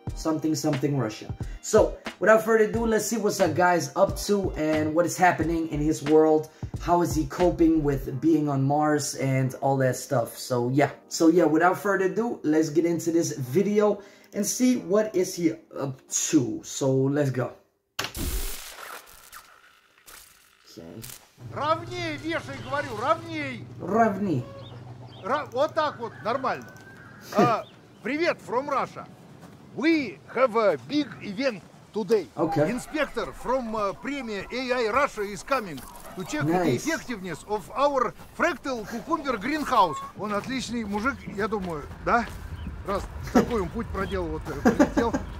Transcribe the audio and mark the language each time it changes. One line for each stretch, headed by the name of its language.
English: Something, something Russia. So without further ado, let's see what our guy's up to and what is happening in his world. How is he coping with being on Mars and all that stuff? So yeah, without further ado, let's get into this video and see what is he up to. So let's go. Okay.
Russian: Равней, вешай, говорю, равней. Равней. Вот так вот, нормально.
English: Привет, from Russia. We have a big event today. Okay. Inspector from premier AI Russia is coming. To check nice. The effectiveness of our fractal cucumber greenhouse.
Russian: Он отличный мужик, я думаю, да? Раз такой он путь проделал, вот прилетел.